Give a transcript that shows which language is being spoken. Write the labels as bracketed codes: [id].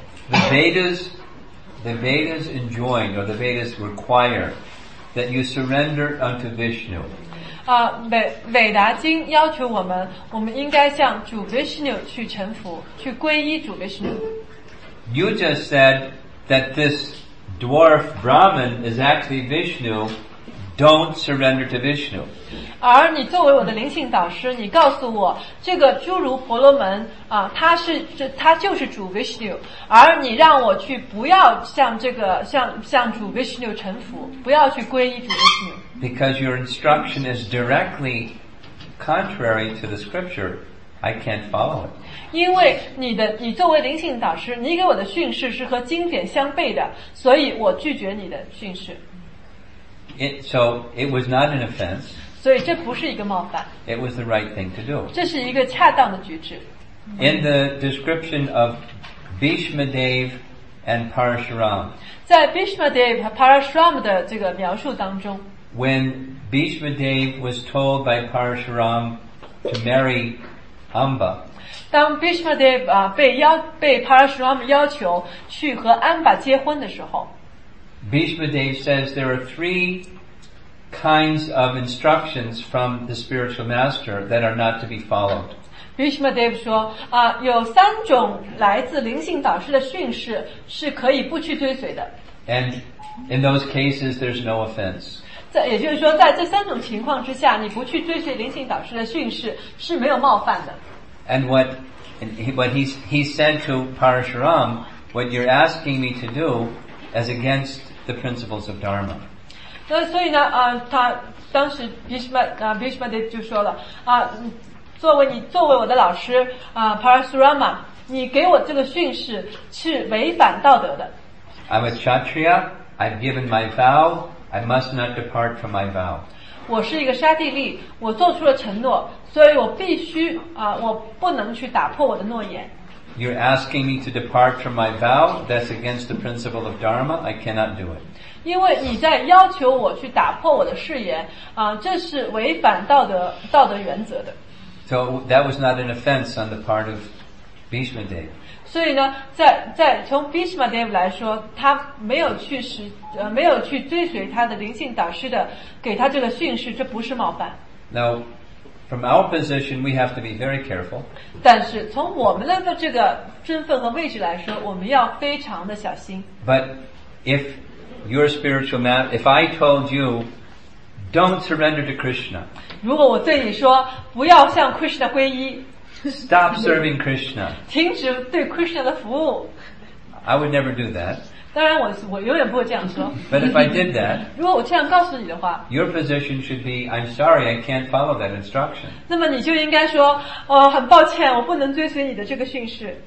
[en] the Vedas enjoin, or the Vedas require, that you surrender unto Vishnu. [zh] Veda经要求我们，我们应该向主 Vishnu 去臣服，去皈依主 Vishnu。 [en] You just said that this dwarf Brahman is actually Vishnu. Don't surrender to Vishnu. [zh] 而你作为我的灵性导师，你告诉我，这个诸如婆罗门啊，他就是主 Vishnu。而你让我去不要向这个向主 Vishnu 臣服，不要去皈依主 Vishnu。 [en] Because your instruction is directly contrary to the scripture, I can't follow it. [zh] 因为你作为灵性导师，你给我的训示是和经典相悖的，所以我拒绝你的训示。 [en] It was not an offense. [zh] 所以这不是一个冒犯。 [en] It was the right thing to do. [zh] 这是一个恰当的举止。 [en] In the description of Bhishma Dev and Parashuram. [zh] 在 Bhishma Dev 和 Parashuram 的这个描述当中。 [en] When Bhishma Dev was told by Parashuram to marry Amba, [zh] 当 Bhishma Dev 被 Parashuram 要求去和 Amba 结婚的时候， [en] Bhishma Dev says there are three kinds of instructions from the spiritual master that are not to be followed. [zh] Bhishma Dev 说，有三种来自灵性导师的训示是可以不去追随的。 [en] And in those cases, there's no offense. [zh] 也就是说在这三种情况之下你不去追随灵性导师的训示是没有冒犯的。 [en] And what he said to Parashuram, what you're asking me to do is against the principles of Dharma. [zh] 那所以呢他当时 Bhishma Dev 就说了作为我的老师Parashurama, 你给我这个训示是违反道德的。 [en] I'm a Kshatriya, I've given my vow,I must not depart from my vow. [zh] 我是一个沙地利，我做出了承诺，所以我必须我不能去打破我的诺言。 [en] You're asking me to depart from my vow. That's against the principle of Dharma. I cannot do it. [zh] 因为你在要求我去打破我的誓言，这是违反道德原则的。 [en] So that was not an offense on the part of Bhishma Dev. [zh] 所以呢，在从 Bhishma Dev 来说，他没有去追随他的灵性导师的给他这个训示，这不是冒犯。 [en] Now, from our position, we have to be very careful. [zh] 但是从我们的这个身份和位置来说，我们要非常的小心。 [en] But if your spiritual man, if I told you, don't surrender to Krishna. [zh] 如果我对你说，不要向 Krishna 皈依。 [en] Stop serving Krishna. [zh] 停止对 Krishna 的服务。 [en] I would never do that. [zh] 当然我永远不会这样说。 [en] But if I did that, [zh] 如果我这样告诉你的话， [en] your position should be, I'm sorry, I can't follow that instruction. [zh] 那么你就应该说，很抱歉，我不能追随你的这个训示。